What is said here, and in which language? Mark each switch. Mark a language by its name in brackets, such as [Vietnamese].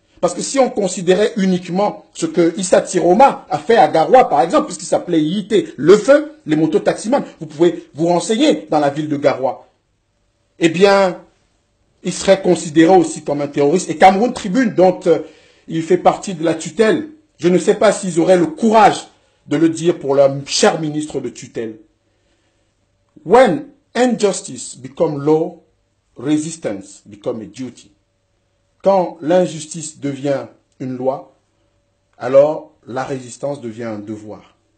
[French] Parce que si on considérait uniquement ce que Issa Tiroma a fait à Garoua, par exemple, puisqu'il s'appelait IIT, le feu, les motos taximans, vous pouvez vous renseigner dans la ville de Garoua. Eh bien, il serait considéré aussi comme un terroriste. Et Cameroun Tribune, dont il fait partie de la tutelle, je ne sais pas s'ils auraient le courage de le dire pour leur cher ministre de tutelle. [English] When injustice become law, resistance become a duty. [French] Quand l'injustice devient une loi, alors la résistance devient un devoir.